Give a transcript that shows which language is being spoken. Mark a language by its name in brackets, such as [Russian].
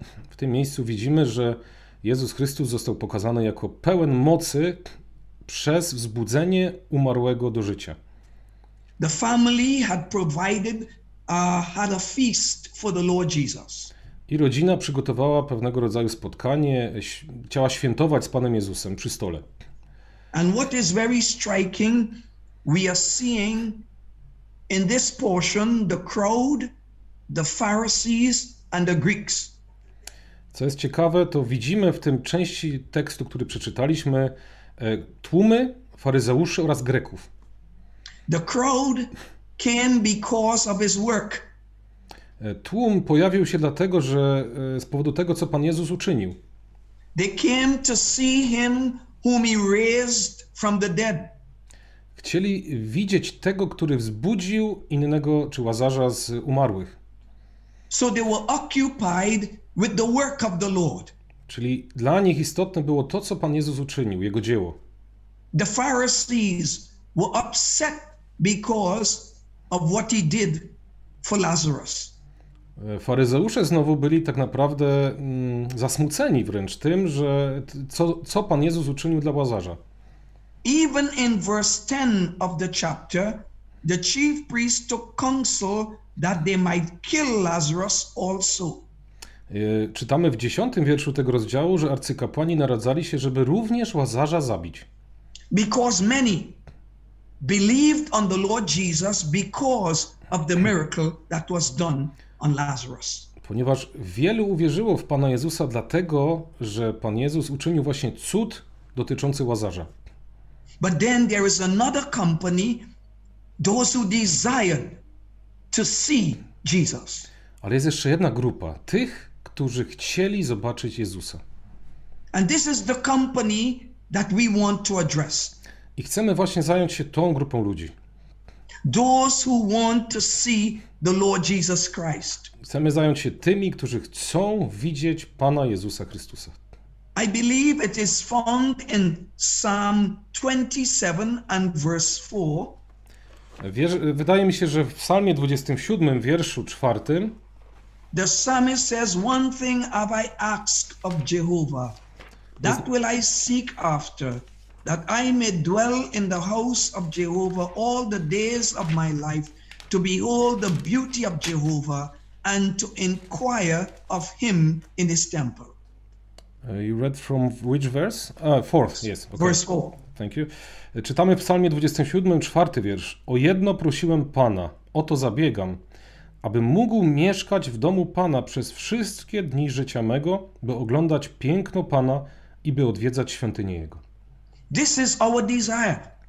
[Polish] W tym miejscu widzimy, że Jezus Chrystus został pokazany jako pełen mocy przez wzbudzenie umarłego do życia. [English] The family had provided had a feast for the Lord Jesus. [Polish] I rodzina przygotowała pewnego rodzaju spotkanie, chciała świętować z Panem Jezusem przy stole. [English] And what is very striking, we are seeing in this portion the crowd, the Pharisees and the Greeks. [Polish] Co jest ciekawe, to widzimy w tym części tekstu, który przeczytaliśmy, tłumy, faryzeuszy oraz Greków. [English] The crowd came because of his work. [Polish] Tłum pojawił się dlatego, że z powodu tego, co Pan Jezus uczynił. [English] They came to see him whom he raised from the dead. [Polish] Chcieli widzieć tego, który wzbudził innego, czy Łazarza z umarłych. [English] So they were occupied with the work of the Lord. [Polish] Czyli dla nich istotne było to, co Pan Jezus uczynił, jego dzieło. [English] The Pharisees were upset because of what he did for Lazarus. [Polish] Faryzeusze znowu byli tak naprawdę zasmuceni wręcz tym, że co Pan Jezus uczynił dla Łazarza. [English] Even in verse 10 of the chapter, the chief priest took counsel that they might kill Lazarus also. [Polish] Czytamy w 10 wierszu tego rozdziału, że arcykapłani naradzali się, żeby również Łazarza zabić. [English] Because many believed on the Lord Jesus because of the miracle that was done on Lazarus. [Polish] Ponieważ wielu uwierzyło w Pana Jezusa dlatego, że Pan Jezus uczynił właśnie cud dotyczący Łazarza. [English] But then there is another company, those who desired to see Jesus. [Polish] Ale jest jeszcze jedna grupa tych, którzy chcieli zobaczyć Jezusa. [English] And this is the company that we want to address. [Polish] I chcemy właśnie zająć się tą grupą ludzi. [English] Those who want to see the Lord Jesus Christ. [Polish] Chcemy zająć się tymi, którzy chcą widzieć Pana Jezusa Chrystusa. [English] I believe it is found in Psalm 27 and verse 4. [Polish] Wydaje mi się, że w Psalmie 27, wierszu 4. [English] The psalmist says, one thing have I asked of Jehovah, that will I seek after, that I may dwell in the house of Jehovah all the days of my life, to behold the beauty of Jehovah and to inquire of him in his temple. You read from which verse? Fourth, yes. Okay. Verse 4. Thank you. [Polish] Czytamy w Psalmie 27, 4 wiersz. O jedno prosiłem Pana, o to zabiegam, aby mógł mieszkać w domu Pana przez wszystkie dni życia mego, by oglądać piękno Pana i by odwiedzać świątynię Jego. [English] This is our desire.